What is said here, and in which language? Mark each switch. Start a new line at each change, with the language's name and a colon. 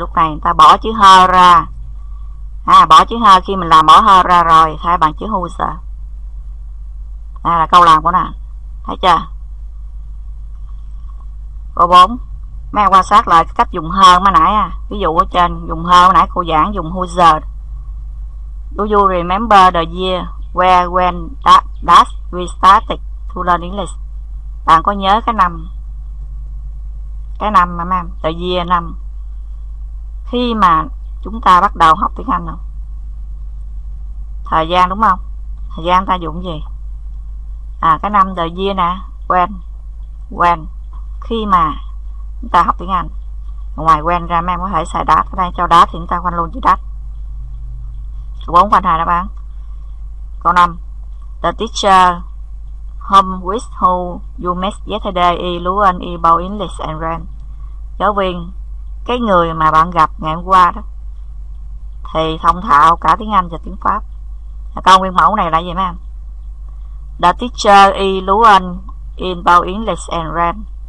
Vietnamese: Lúc này người ta bỏ chữ her ra. Bỏ chữ her khi mình làm bỏ her ra rồi thay bằng chữ whose. Đây là câu làm của nó. Thấy chưa? Câu 4. Mẹ quan sát lại cách dùng her mới nãy. Ví dụ ở trên dùng her mới nãy cô giảng dùng whose.
English: Do you remember the year where when that we started to learn English?
Vietnamese: Bạn có nhớ cái năm, cái năm mà mam, the year năm khi mà chúng ta bắt đầu học tiếng Anh không? Thời gian đúng không? Thời gian ta dùng gì? Cái năm the year nè, when khi mà chúng ta học tiếng Anh. Ngoài when ra mam có thể xài that. Ở đây cho that thì chúng ta khoanh luôn chữ that. Bốn khoanh hai đáp án. Câu 5.
English: The teacher whom with who you met yesterday is fluent in both English and French.
Vietnamese: Giáo viên, cái người mà bạn gặp ngày hôm qua đó thì thông thạo cả tiếng Anh và tiếng Pháp. Câu nguyên mẫu này là gì mấy em?
English: The teacher is fluent in both English and French.